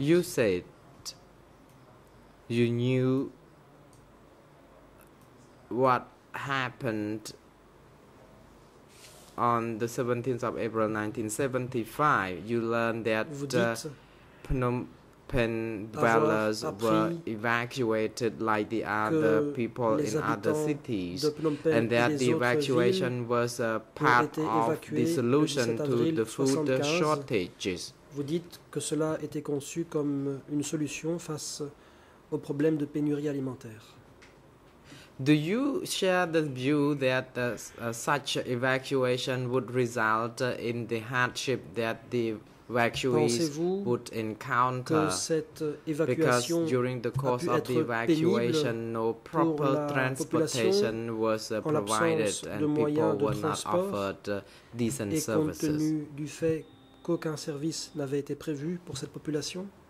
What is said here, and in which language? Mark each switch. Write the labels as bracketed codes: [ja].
[en] You said you knew what happened on the 17th of April 1975, you learned that the Phnom Penh dwellers were evacuated like the other people in other cities, and that the evacuation was a part of the solution to the food shortages. [fr] Vous dites que cela était conçu comme une solution face au problème de pénurie alimentaire. [en] Do you share the view that such evacuation would result in the hardship that the evacuees would encounter? Because during the course of the evacuation, no proper transportation was provided and people were not offered decent services. [fr] Et compte tenu du fait qu'aucun service n'avait été prévu pour cette population?